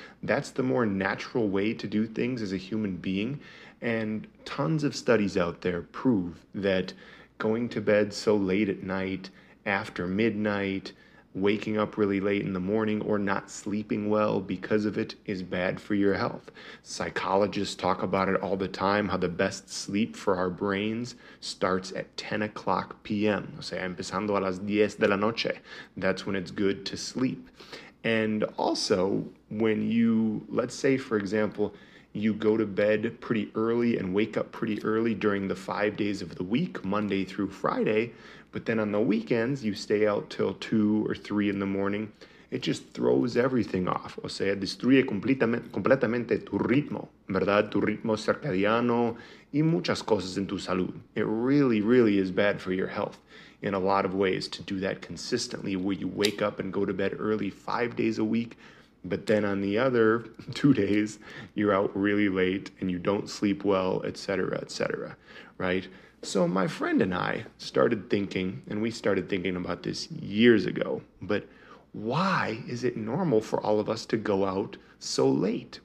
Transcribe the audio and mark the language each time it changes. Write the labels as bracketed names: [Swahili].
[English] That's the more natural way to do things as a human being, and tons of studies out there prove that going to bed so late at night, after midnight, waking up really late in the morning, or not sleeping well because of it is bad for your health. Psychologists talk about it all the time, how the best sleep for our brains starts at 10 o'clock p.m. [Spanish] O sea, empezando a las 10 de la noche. [English] That's when it's good to sleep. And also, when you, let's say, for example, you go to bed pretty early and wake up pretty early during the 5 days of the week, Monday through Friday, but then on the weekends, you stay out till 2 or 3 in the morning. It just throws everything off. [Spanish] O sea, destruye completamente tu ritmo, ¿verdad? Tu ritmo circadiano y muchas cosas en tu salud. [English] It really, really is bad for your health in a lot of ways to do that consistently, where you wake up and go to bed early 5 days a week, but then on the other 2 days, you're out really late and you don't sleep well, et cetera, right? So my friend and I started thinking, and we started thinking about this years ago, but why is it normal for all of us to go out so late?